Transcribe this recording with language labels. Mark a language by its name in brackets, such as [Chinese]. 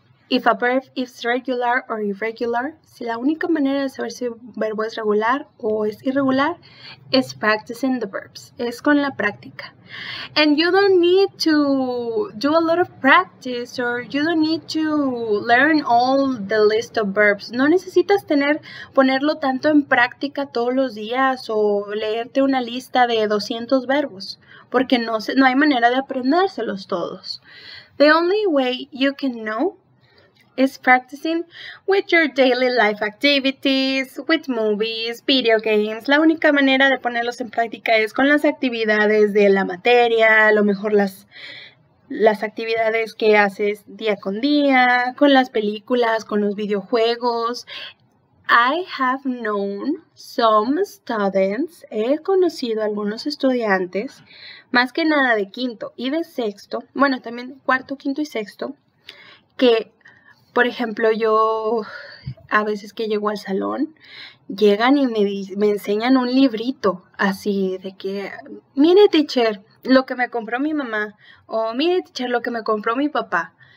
[English] If a verb is regular or irregular, [Spanish] si la única manera de saber si un verbo es regular o es irregular es [English] practicing the verbs, [Spanish] es con la práctica. [English] And you don't need to do a lot of practice or you don't need to learn all the list of verbs. [Spanish] No necesitas ponerlo tanto en práctica todos los días o leerte una lista de 200 verbos, porque no hay manera de aprendérselos todos. [English] The only way you can know is practicing with your daily life activities, with movies, video games. [Spanish] La única manera de ponerlos en práctica es con las actividades de la materia, a lo mejor las actividades que haces día con día, con las películas, con los videojuegos. [English] I have known some students, [Spanish] he conocido a algunos estudiantes, más que nada de quinto y de sexto, bueno, también cuarto, quinto y sexto, que por ejemplo, yo a veces que llego al salón, llegan y me enseñan un librito así de que, mire teacher, lo que me compró mi mamá, o mire teacher, lo que me compró mi papá.